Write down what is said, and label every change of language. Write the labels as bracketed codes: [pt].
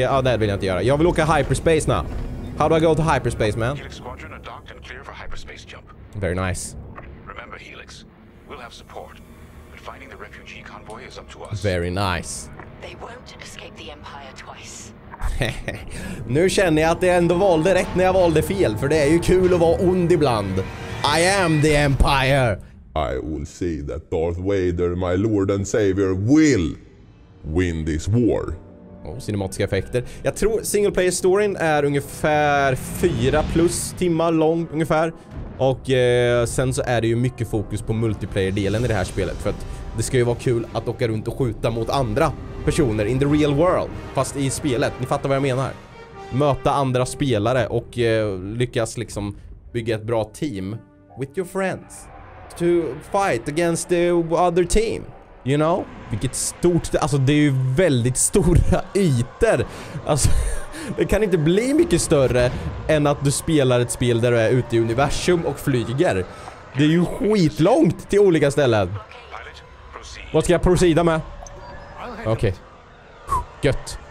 [sv] Ah, det vill jag inte göra. Jag vill åka hyperspace now. [en] How do I go to hyperspace, man? Helix squadron are docked and clear for hyperspace jump. Very nice. Remember, Helix. We'll have support. But finding the refugee convoy is up to us. Very nice. They won't escape the Empire twice. [sv] Nu känner jag att jag ändå valde rätt när jag valde fel. För det är ju kul att vara ond ibland. [en] I am the Empire. I will see that Darth Vader, my lord and savior, will win this war. [sv] Oh, cinematiska effekter. Jag tror single player storyn är ungefär 4 plus timmar lång ungefär. Och sen så är det ju mycket fokus på multiplayer-delen i det här spelet. För att det ska ju vara kul att åka runt och skjuta mot andra personer [en] in the real world. [sv] Fast i spelet, ni fattar vad jag menar. Möta andra spelare och lyckas liksom bygga ett bra team [en] with your friends. To fight against the other team. You know? [sv] Vilket stort... Alltså det är ju väldigt stora ytor. Alltså det kan inte bli mycket större än att du spelar ett spel där du är ute i universum och flyger. Det är ju skitlångt till olika ställen. Vad ska jag proceda med? Okej. Okay. Gött.